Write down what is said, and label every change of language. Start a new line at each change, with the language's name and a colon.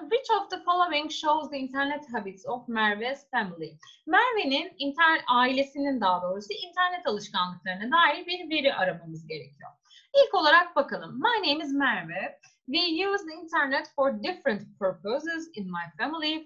English: Which of the following shows the internet habits of Merve's family?
Turkish: Merve'nin ailesinin daha doğrusu internet alışkanlıklarına dair bir veri aramamız gerekiyor. İlk olarak bakalım.
English: My name is Merve. We use the internet for different purposes in my family.